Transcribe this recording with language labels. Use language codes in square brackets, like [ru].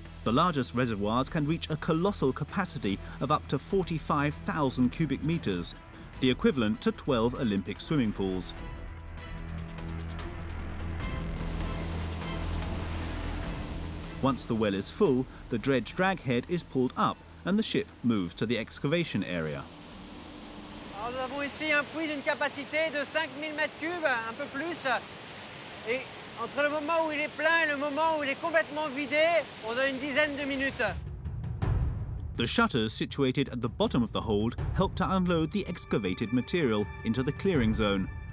[en] The largest reservoirs can reach a colossal capacity of up to 45,000 cubic meters, the equivalent to 12 Olympic swimming pools. Once the well is full, the dredge drag head is pulled up and the ship moves to the excavation area. [fr] Alors, nous avons ici un puits d'une capacité de 5000 mètres cubes, un peu plus. Et entre le moment où il est plein et le moment où il est complètement vidé, on a une dizaine de minutes. [en] The shutters situated at the bottom of the hold help to unload the excavated material into the clearing zone.